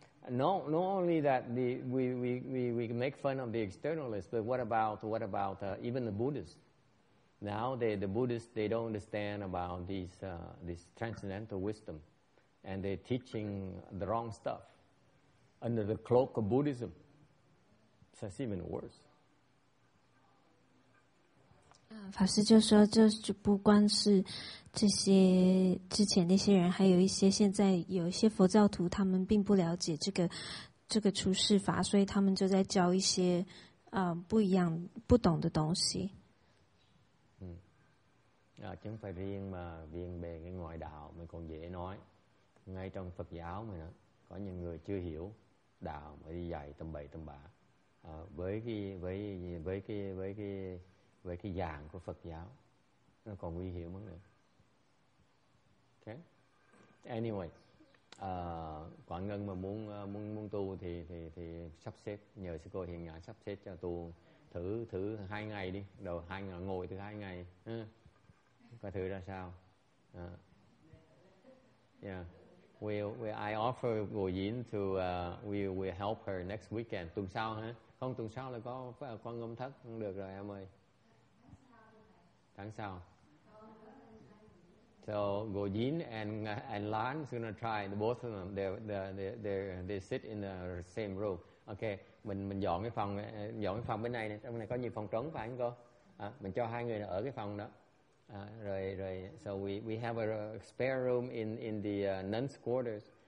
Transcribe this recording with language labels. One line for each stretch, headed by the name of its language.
English: Not only that we make fun of the externalists, but what about even the Buddhists? Now the Buddhists they don't understand about this transcendental wisdom, and they're teaching the wrong stuff under the cloak of Buddhism. So that's even worse.
Chinese: 法师就说，这不光是这些之前那些人，还有一些现在有一些佛教徒，他们并不了解这个出世法，所以他们就在教一些不一样、不懂的东西。
Vietnamese: À, chứ không phải riêng mà riêng về cái ngoại đạo mình còn dễ nói. Ngay trong Phật giáo mình đó, có những người chưa hiểu đạo mà đi dạy tầm bậy tầm bạ với cái dạng của Phật giáo nó còn nguy hiểm hơn nữa. Okay. Anyway, Quảng Ngân mà muốn tu thì sắp xếp nhờ sư cô Hiền Nhãn sắp xếp cho tu thử 2 ngày đi, đầu 2 ngày ngồi thử 2 ngày. Và thử ra sao?
English: Yeah. I offer Bồ Diễn to we help her next weekend.
Vietnamese: Tuần sau hả? Không, tuần sau là có Quan Âm thất không được rồi em ơi. Tháng sau.
English: So Bồ Diễn and Lan is gonna try the both of them. They sit in the same room. Okay.
Vietnamese: Mình dọn cái phòng bên này nè. Trong này có nhiều phòng trống phải không cô? Mình cho 2 người ở cái phòng đó. Rồi.
English: So we have a spare room in the nuns' quarters.